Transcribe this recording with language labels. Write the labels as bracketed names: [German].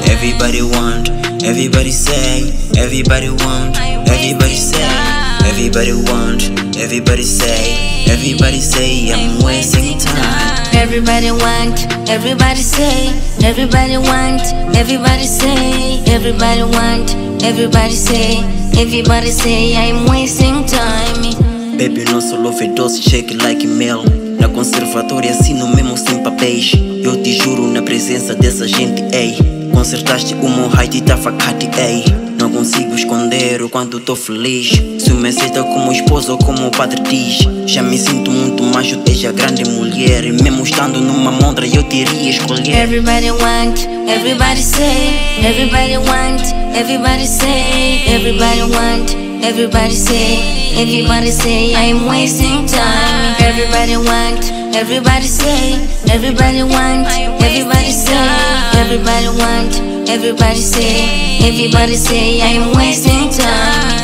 [English] Everybody want, everybody say, everybody want, everybody say, everybody want, everybody say. Everybody say I'm wasting time. Everybody want, everybody say. Everybody want, everybody say. Everybody want, everybody say. Everybody say I'm wasting time. [Portuguese] Baby, nosso love é doce, [English] shake like [Portuguese] mel. Na conservatória assino mesmo sem papéis. Eu te juro na presença dessa gente, ei. Consertaste o meu raio de tafacate, ei. Não consigo esconder o quanto tô feliz. Se me aceita como esposa ou como o padre diz. Já me sinto muito mais, eu esteja grande mulher. E mesmo estando numa montra eu te iria escolher. [English] Everybody want, everybody say. Everybody want, everybody say. Everybody want, everybody say. Everybody say I'm wasting time. Everybody want, everybody say. Everybody want, everybody say. Everybody want, everybody say. Everybody say I'm wasting time.